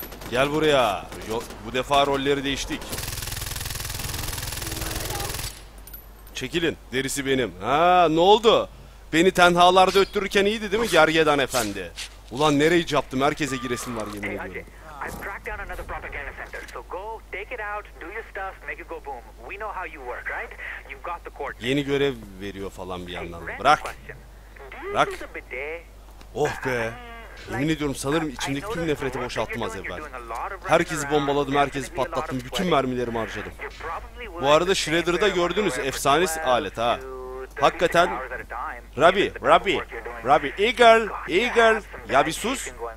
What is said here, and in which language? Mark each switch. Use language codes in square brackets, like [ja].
[tr] Gel buraya. Yok, bu defa rolleri değiştik. Çekilin, derisi benim. Ha, ne oldu? Beni tenhalarda öttürürken iyiydi değil mi gergedan efendi? Ulan nereyi yaptım? Herkese giresin var, yemin ediyorum. [en] I've tracked down another propaganda center. So go, take it out, do your stuff, make it go boom. We know how you work, right? You've got the court. [tr] Yeni görev veriyor falan bir yandan. Bırak. Bırak. Oh be. Yemin ediyorum, sanırım içimdeki tüm nefreti boşalttım az evvel. Herkesi bombaladım, herkesi patlattım, bütün mermilerimi harcadım. Bu arada Shredder'ı da gördünüz, efsane alet ha. Hakikaten Rabbi, Eagle. Ya bir sus.